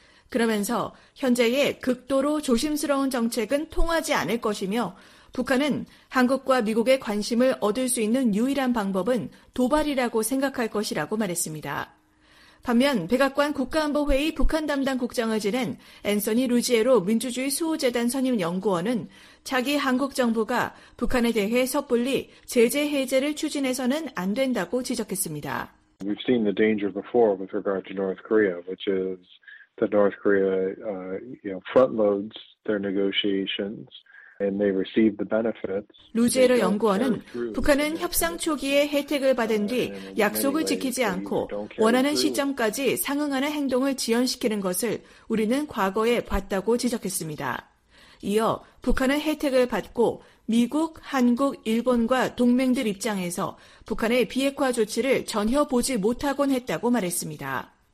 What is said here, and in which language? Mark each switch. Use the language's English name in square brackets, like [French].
[Korean] 그러면서 현재의 극도로 조심스러운 정책은 통하지 않을 것이며 북한은 한국과 미국의 관심을 얻을 수 있는 유일한 방법은 도발이라고 생각할 것이라고 말했습니다. 반면 백악관 국가안보회의 북한 담당 국장을 지낸 앤서니 루지에로 민주주의 수호재단 선임 연구원은 차기 한국 정부가 북한에 대해 섣불리 제재 해제를 추진해서는 안 된다고 지적했습니다. [English] We've seen the danger before with regard to North Korea, which is that North Korea front-loads their negotiations. [Korean] 루지에르 연구원은 북한은 협상 초기에 혜택을 받은 뒤 약속을 지키지 않고 원하는 시점까지 상응하는 행동을 지연시키는 것을 우리는 과거에 봤다고 지적했습니다. 이어 북한은 혜택을 받고 미국, 한국, 일본과 동맹들 입장에서 북한의 비핵화 조치를 전혀 보지 못하곤 했다고 말했습니다.